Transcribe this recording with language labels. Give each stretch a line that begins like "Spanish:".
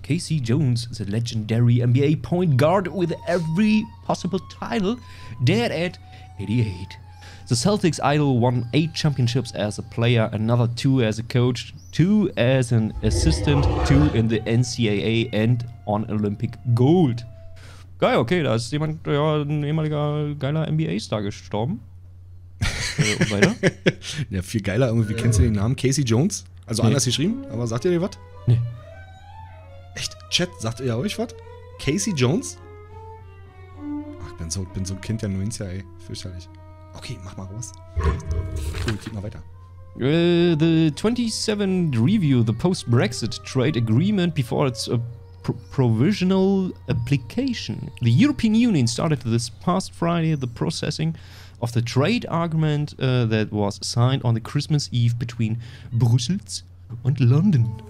English: Casey Jones, the legendary NBA point guard with every possible title, dead at 88. The Celtics idol won 8 championships as a player, another 2 as a coach, 2 as an assistant, 2 in the NCAA and on Olympic gold.
German: Geil, okay, da ist jemand, ja, ein ehemaliger geiler NBA-Star gestorben. Und weiter? Ja, viel geiler irgendwie, kennst du den Namen? Casey Jones? Also nee. Anders geschrieben, aber sagt ihr dir was? Nee. Echt? Chat, sagt ihr euch was? Casey Jones? Ach, bin so ein Kind der 90er, ey. Fürchterlich. Okay, mach mal raus. Cool, geht mal weiter.
English: The 27th Review, the Post-Brexit Trade Agreement before its provisional application. The European Union started this past Friday the processing of the trade agreement that was signed on the Christmas Eve between Brussels and London.